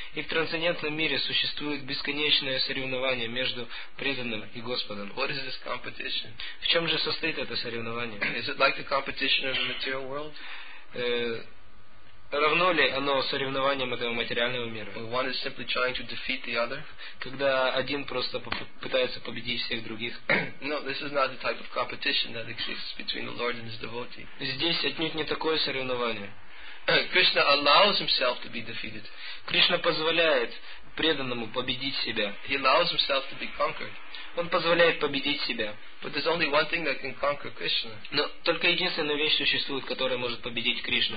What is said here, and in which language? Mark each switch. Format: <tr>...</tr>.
<ru>И в трансцендентном мире существует бесконечное соревнование между преданным и Господом.</ru> <en>What is this competition?</en> <ru>В чем же состоит это соревнование?</ru> <en>Is it like the competition of the material world?</en> <ru>Равно ли оно соревнованием этого материального мира?</ru> <en>One is simply trying to defeat the other.</en> <ru>Когда один просто пытается победить всех других.</ru> <en>No, this is not the type of competition that exists between the Lord and his devotee.</en> <ru>Здесь отнюдь не такое соревнование.</ru> <en>Krishna allows himself to be defeated.</en> <ru>Кришна позволяет преданному победить себя.</ru> <en>He allows himself to be conquered.</en> <ru>Он позволяет победить себя.</ru> <en>But there's only one thing that can conquer Krishna.</en> <ru>Но только единственная вещь существует, которая может победить Кришну.</ru>